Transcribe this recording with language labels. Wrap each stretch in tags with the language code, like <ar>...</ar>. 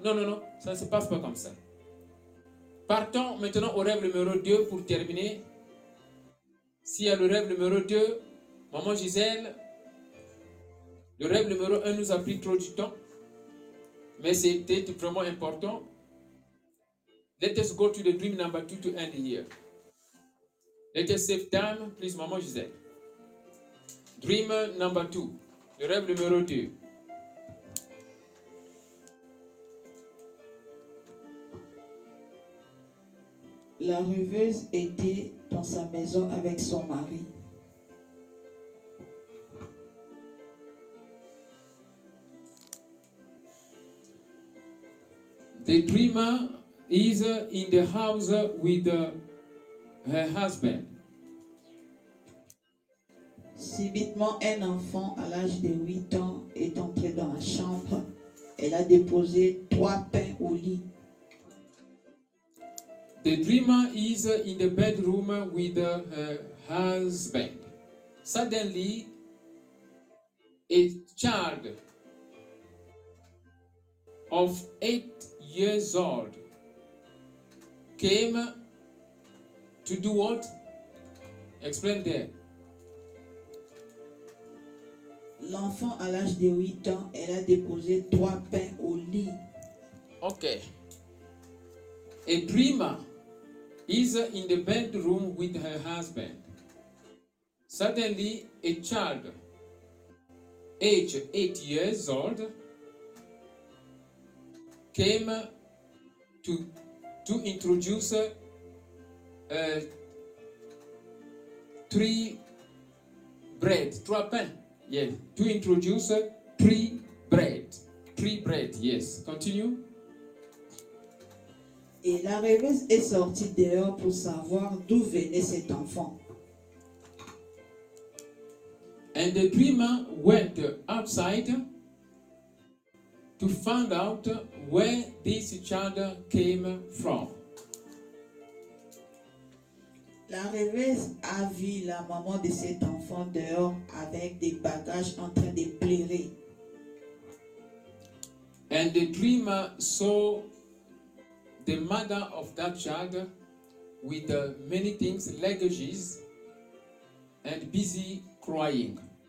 <fr>Non, ça ne se passe pas comme ça. Partons maintenant au rêve numéro 2 pour terminer. S'il y a le rêve numéro 2, maman Gisèle, le rêve numéro 1 nous a pris trop du temps, mais c'était vraiment important.</fr> <en>Let us go to the dream number 2 to end here. Let us save time, please, maman Gisèle. Dream number 2.</en> <fr>Le rêve numéro 2. La rêveuse était dans sa maison avec son mari.</fr> <en>The dreamer is in the house with her husband.</en> <fr>Subitement, un enfant à l'âge de 8 ans est entré dans la chambre. Elle a déposé 3 pains au lit.</fr> <en>The dreamer is in the bedroom with her husband. Suddenly, a child of 8 years old came to do what? Explain there.</en> <fr>L'enfant à l'âge de 8 ans, elle a déposé 3 pains au lit. Ok.</fr> <en>A dreamer is in the bedroom with her husband. Suddenly, a child, age 8 years old, came to introduce 3 bread, 3 pains. Yes, to introduce 3 bread. 3 bread, yes. Continue.</en> <fr>Et la rêveuse est sortie dehors pour savoir d'où venait cet enfant.</fr> <en>And the dreamer went outside to find out where this child came from.</en> <fr>La rêveuse a vu la maman de cet enfant dehors avec des bagages en train de pleurer.</fr> <en>And the dreamer saw the mother of that child with many things, luggages, and busy crying.</en>